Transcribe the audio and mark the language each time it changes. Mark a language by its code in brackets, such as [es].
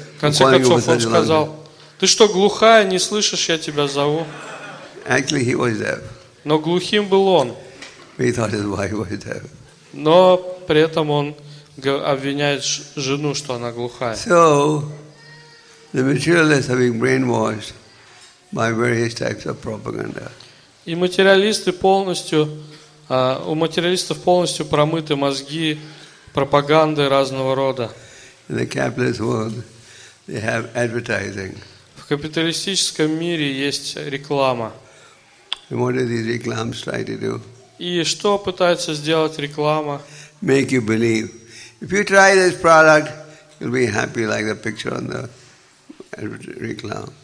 [ru] В конце концов он сказал: ты что, глухая, не слышишь, я тебя зову? [en] Actually he was deaf. [ru] Но глухим был он. [en] He thought his wife was deaf. [ru] Но при этом он обвиняет жену, что она глухая. [en] So the materialists have been brainwashed by various types of propaganda. [ru] И материалисты полностью, у материалистов полностью промыты мозги пропаганды разного рода. [en] In the capitalist world, they have advertising. [ru] В капиталистическом мире есть реклама. [en] And what do these reclams try to do? [ru] И что пытается сделать реклама? [en] Make you believe. If you try this product, you'll be happy like the picture on the reklam.